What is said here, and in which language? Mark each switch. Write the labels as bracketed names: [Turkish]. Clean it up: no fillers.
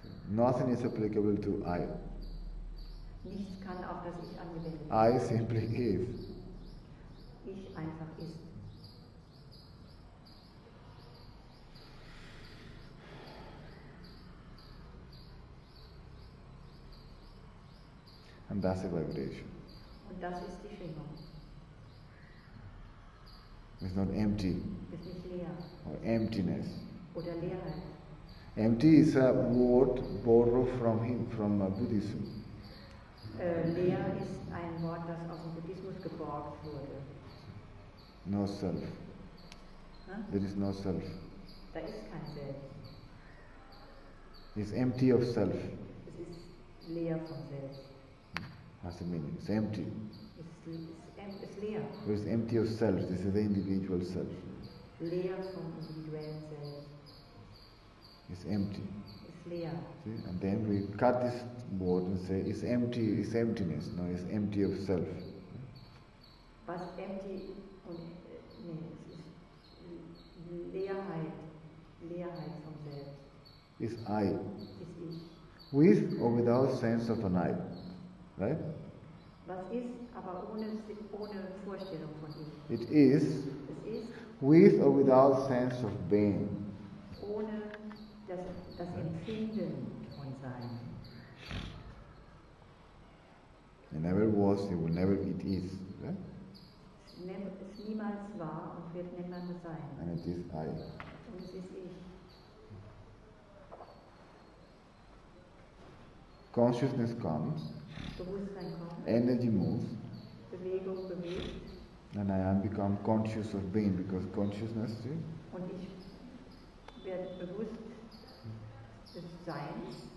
[English] Nothing is applicable to I. [German] Nichts kann auf das Ich angewendet werden. [English] I simply is. [German] Ich einfach ist. [English] And that's a vibration. [German] Und das ist die Schwingung. [English] It's not empty. [German] Es nicht leer. [English] Or emptiness. [German] Oder Leerheit. [English] Empty is a word borrowed from him, from Buddhism. [German] Leer ist ein Wort, das aus dem Buddhismus geborgt wurde. [English] No self. There is no self. [German] Da ist kein Selbst. [English] It's empty of self. [German] Es ist leer vom Selbst. [English] Has a meaning. It's empty. [German] Es ist leer. [English] It's empty of self. This is the individual self. [German] Leer vom individuellen Selbst. [English] It's empty. [German] Es ist leer. [English] See? And then we cut this board and say, it's empty, it's emptiness. No, it's empty of self. [German] Was empty und es ist Leerheit. Leerheit vom Selbst. [English] Is I, with or without sense of an I, right? [German] Was ist, aber ohne Vorstellung von ich. [English] It is. [German] Es ist. [English] With or without sense of being. [German] Ohne das Empfinden von sein. [English] It never was. It will never. It is. Right? [German] Es niemals war und wird niemals sein. [English] And it is I. [German] Und es ist ich. [English] Consciousness comes, [German] Bewusstsein kommt, [English] energy moves, [German] Bewegung bewegt, [English] and I am become conscious of being because consciousness, see? [German] Und ich werde bewusst des Seins,